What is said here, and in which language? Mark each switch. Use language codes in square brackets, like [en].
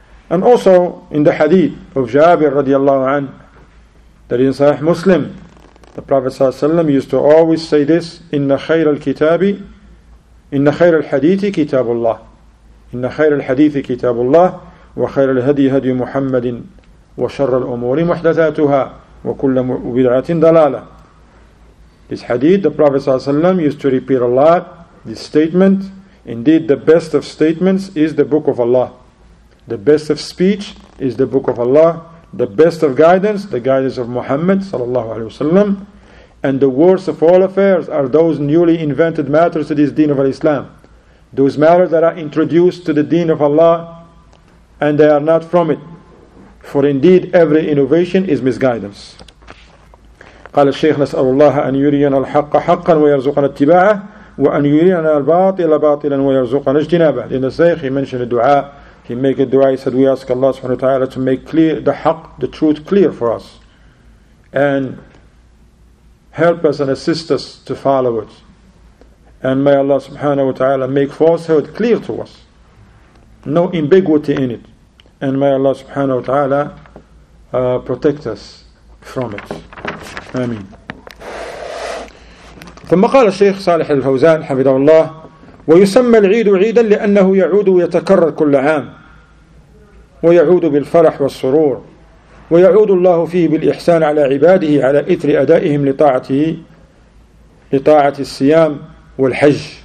[en] And also in the hadith of Jabir radiallahu anhu, that in Sahih Muslim, the Prophet ﷺ used to always say this, [ar] Inna khayr al-kitabi, Inna khayr al-hadithi kitabullah. Inna khayr al-hadithi kitabullah, وخير الهدي هدي محمد وشر الأمور محدثاتها وكل بدعة ضلالة. [en] This hadith, the Prophet ﷺ used to repeat a lot, this statement, indeed the best of statements is the book of Allah. The best of speech is the book of Allah. The best of guidance, the guidance of Muhammad sallallahu alaihi wasallam, and the worst of all affairs are those newly invented matters to this deen of Islam. Those matters that are introduced to the deen of Allah and they are not from it. For indeed every innovation is misguidance. [ar] قال الشيخ نسأل الله أن يرينا الحق حقا ويرزقنا اتباعه وأن يرينا الباطل باطلا ويرزقنا اجتنابه. [en] In the Shaykh, he mentioned a dua. He made a dua. He said, we ask Allah subhanahu wa ta'ala to make clear the haq, the truth clear for us. And help us and assist us to follow it. And may Allah subhanahu wa ta'ala make falsehood clear to us. No ambiguity in it. And may Allah subhanahu wa ta'ala protect us from it. [ar] آمين. ثم قال الشيخ صالح الفوزان حفظه الله ويسمى العيد عيدا لأنه يعود ويتكرر كل عام ويعود بالفرح والسرور ويعود الله فيه بالإحسان على عباده على إثر أدائهم لطاعته بالصيام والحج.